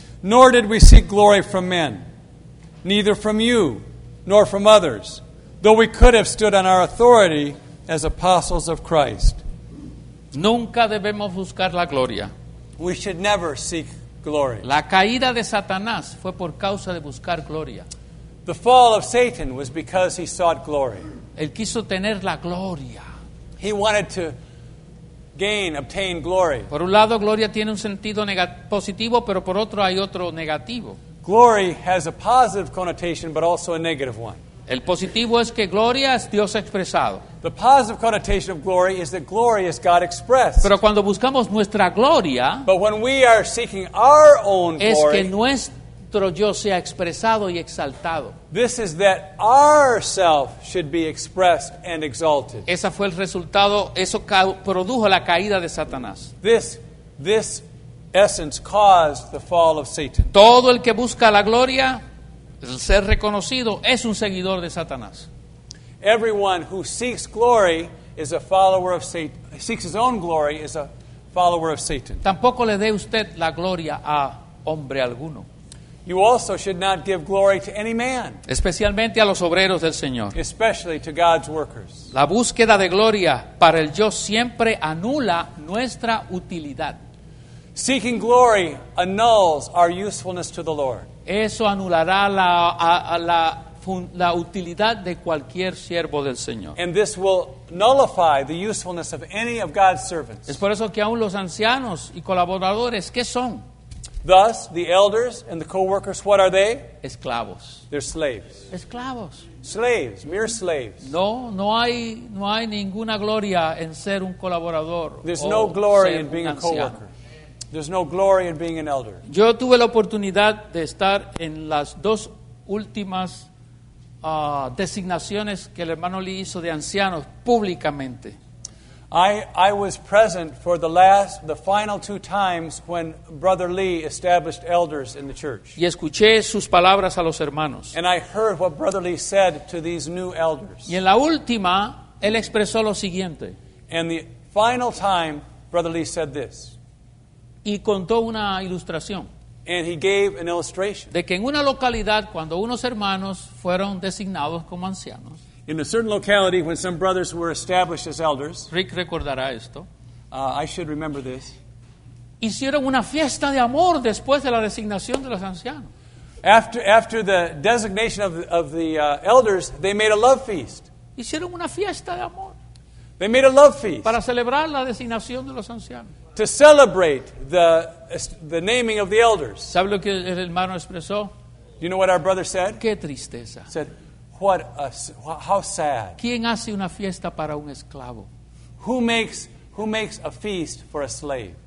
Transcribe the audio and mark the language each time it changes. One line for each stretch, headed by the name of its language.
English: Nor did we seek glory from men, neither from you, nor from others, though we could have stood on our authority as apostles of Christ.
Spanish: Nunca debemos buscar la gloria.
English: We should never seek glory.
Spanish: La caída de Satanás fue por causa de buscar gloria.
English: The fall of Satan was because he sought glory.
Spanish: Él quiso tener la gloria.
English: He wanted to gain, obtain glory.
Spanish: Por un lado, gloria tiene un sentido positivo, pero por otro hay otro negativo.
English: Glory has a positive connotation, but also a negative one.
Spanish: El positivo es que gloria es Dios expresado.
English: The positive connotation of glory is that glory is God expressed.
Spanish: Pero cuando buscamos nuestra gloria,
English: but when we are seeking our own glory,
Spanish: es que nuestro yo sea expresado y exaltado.
English: This is that our self should be expressed and exalted.
Spanish: Esa fue el resultado, eso produjo la caída de Satanás.
English: This essence caused the fall of Satan.
Spanish: Todo el que busca la gloria, el ser reconocido, es un seguidor de Satanás.
English: Everyone who seeks glory is a follower of Satan. Seeks his own glory is a follower of Satan.
Spanish: Tampoco le dé usted la gloria a hombre alguno.
English: You also should not give glory to any man.
Spanish: Especialmente a los obreros del Señor.
English: Especially to God's workers.
Spanish: La búsqueda de gloria para el yo siempre anula nuestra utilidad.
English: Seeking glory annuls our usefulness to the Lord.
Spanish: Eso anulará la utilidad de cualquier siervo del Señor.
English: And this will nullify the usefulness of any of God's servants.
Spanish: Es por eso que aún los ancianos y colaboradores, ¿qué son?
English: Thus, the elders and the co-workers, what are they?
Spanish: Esclavos.
English: They're slaves.
Spanish: Esclavos.
English: Slaves, mere slaves.
Spanish: No hay ninguna gloria en ser un colaborador.
English: There's no glory in being a co-worker. There's no glory in being an elder.
Spanish: Yo tuve la oportunidad de estar en las dos últimas designaciones que el hermano Lee hizo de ancianos públicamente.
English: I was present for the final two times when Brother Lee established elders in the church.
Spanish: Y escuché sus palabras a los hermanos.
English: And I heard what Brother Lee said to these new elders.
Spanish: Y en la última, él expresó lo siguiente.
English: And the final time, Brother Lee said this.
Spanish: Y contó una ilustración.
English: And he gave an illustration.
Spanish: De que en una localidad, cuando unos hermanos fueron designados como ancianos,
English: in a certain locality, when some brothers were established as elders,
Spanish: Rick recordará esto.
English: I should remember this.
Spanish: Hicieron una fiesta de amor después de la designación de los ancianos.
English: After the designation of the elders, they made a love feast.
Spanish: Hicieron una fiesta de amor.
English: They made a love feast.
Spanish: Para celebrar la designación de los ancianos.
English: To celebrate the naming of the elders.
Spanish: ¿Sabe lo que el hermano expresó?
English: You know what our brother said?
Spanish: Qué tristeza.
English: Said, what a, how sad.
Spanish: ¿Quién hace una fiesta para un esclavo?
English: Who makes a feast for a slave?